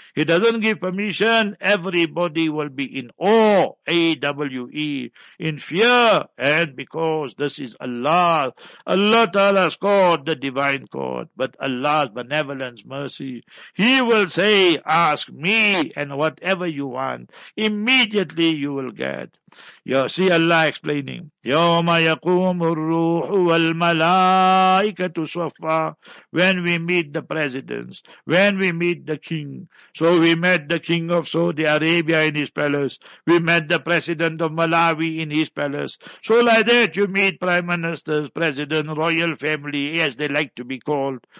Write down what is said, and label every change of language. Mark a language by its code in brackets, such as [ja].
[en] He doesn't give permission, everybody will be in awe, A-W-E, in fear, and because this is Allah. Allah Ta'ala's court, the divine court, but Allah's benevolence, mercy. He will say, ask me, and whatever you want, immediately you will get. You see Allah explaining, [ar] يَوْمَ يَقُومُ الرُّوحُ وَالْمَلَائِكَةُ صَفَّى. [en] When we meet the presidents, when we meet the king. So we met the king of Saudi Arabia in his palace. We met the president of Malawi in his palace. So like that you meet prime ministers, president, royal family, as they like to be called.